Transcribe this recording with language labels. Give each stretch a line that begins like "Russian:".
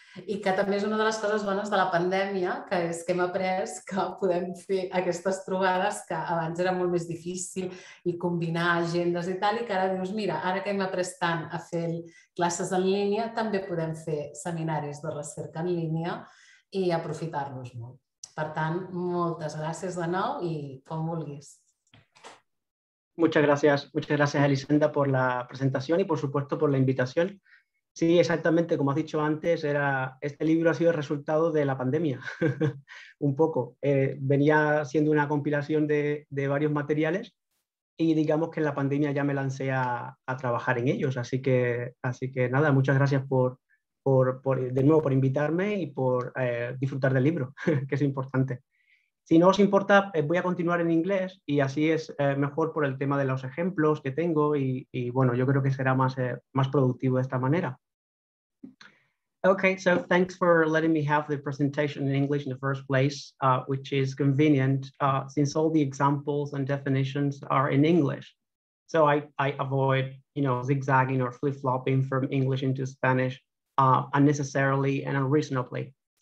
Catalan: I que també és una de les coses bones de la pandèmia, que és que hem après que podem fer aquestes trobades que abans era molt més difícil i combinar agendes i tal, i que ara dius, mira, ara que hem après tant a fer classes en línia, també podem fer seminaris de recerca en línia i aprofitar-los molt. Per tant, moltes gràcies de nou i com vulguis.
Spanish: Muchas gracias, Elisenda, por la presentación y, por supuesto, por la invitación. Sí, exactamente, como has dicho antes, este libro ha sido el resultado de la pandemia, un poco. Venía siendo una compilación de varios materiales y digamos que en la pandemia ya me lancé a trabajar en ellos. Así que nada, muchas gracias de nuevo por invitarme y por disfrutar del libro, que es importante. Si no os importa, voy a continuar en inglés y así es mejor por el tema de los ejemplos que tengo y bueno, yo creo que será más productivo de esta manera.
English: Okay, so thanks for letting me have the presentation in English in the first place, which is convenient since all the examples and definitions are in English. So I avoid, you know, zigzagging or flip-flopping from English into Spanish unnecessarily and unreasonably.